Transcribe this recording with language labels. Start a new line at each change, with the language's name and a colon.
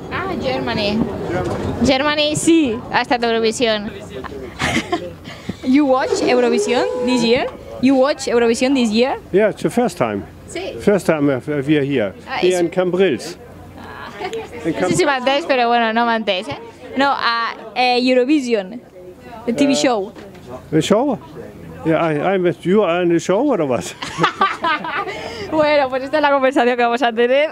Catalan: Ah, Germany. Germany, sí, ha estat Eurovision.
English: You watch Eurovision this year? You watch Eurovision this year? Yeah, it's the first time.
Catalan: Sí.
English: First time we are here. Here in Cambrils.
Catalan: No sé si m'ha entès, però bueno, no m'ha entès, eh?
English: No, Eurovision, a TV show. A show? Yeah, I met you on the show, or what?
Spanish: Bueno, pues esta es la conversación que vamos a tener.